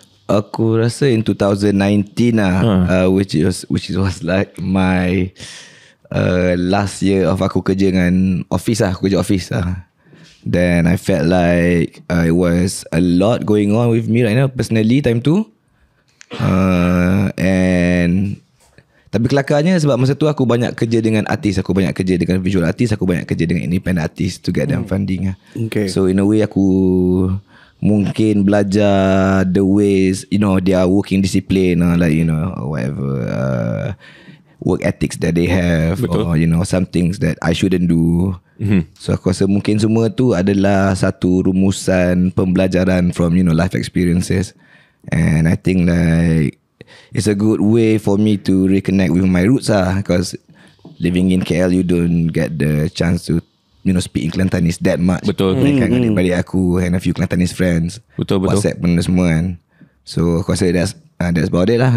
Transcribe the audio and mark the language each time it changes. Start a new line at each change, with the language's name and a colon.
Malay: Aku rasa
English: in 2019 lah, which was like my last year of
Malay: aku kerja dengan office lah, kerja office lah.
English: Then I felt like it was a lot going on with me right now personally time tu.
Malay: And tapi kelakarnya sebab masa tu aku banyak kerja dengan artis, aku banyak kerja dengan visual artist, aku banyak kerja dengan
English: independent artist to get them funding. Okay. So in a way
Malay: aku mungkin belajar
English: the ways, you know, their working discipline, like, you know, or whatever work ethics that they have.
Malay: Betul.
English: Or you know, some things that I shouldn't do.
Malay: So aku rasa mungkin semua tu adalah satu rumusan pembelajaran
English: from, you know, life experiences. And I think like it's a good way for me to reconnect with my roots lah, because living in KL, you don't get the chance to, you know, speak in Kelantanese that much.
Malay: Betul. Kan dengan balik aku
English: and a few Kelantanese friends.
Malay: Betul, betul. WhatsApp pun semua kan.
English: So
Malay: aku rasa
English: that's, that's about it lah.